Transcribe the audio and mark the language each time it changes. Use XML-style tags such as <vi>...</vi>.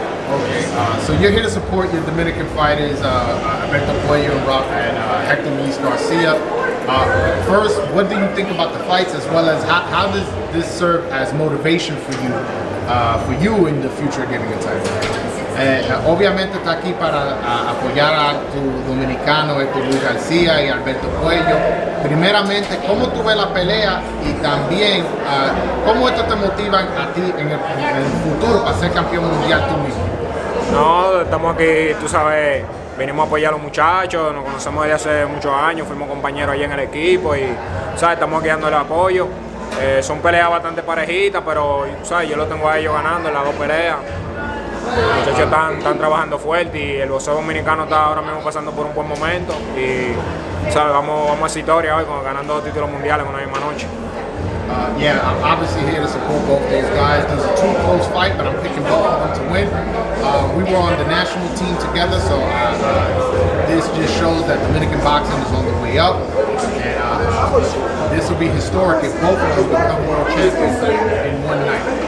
<en>Okay, so you're here to support your Dominican fighters, Alberto Puello and Hector Luis Garcia. First, what do you think about the fights, as well as how does this serve as motivation for you in the future getting a title?</en> <es>Obviamente está aquí para apoyar a tu dominicano, Hector Luis García y Alberto Puello. Primeramente, ¿cómo tú ves la pelea? Y también, ¿cómo esto te motiva a ti en el futuro para ser campeón mundial tú mismo? No, estamos aquí, tú sabes, venimos a apoyar a los muchachos, nos conocemos desde hace muchos años, fuimos compañeros ahí en el equipo y, ¿sabes? Estamos aquí dándole apoyo. Son peleas bastante parejitas, pero, ¿sabes? Yo lo tengo a ellos ganando en las dos peleas. Los muchachos están trabajando fuerte y el boxeo dominicano está ahora mismo pasando por un buen momento y sabes, vamos a esa historia hoy ganando dos títulos mundiales en una misma noche.</es> <en>Yeah, I'm obviously here to support both these guys. There's a two close fight, but I'm picking both of them to win. We were on the national team together, so this just shows that Dominican boxing is on the way up. And this will be historic if both of them become world champions in one night.</en>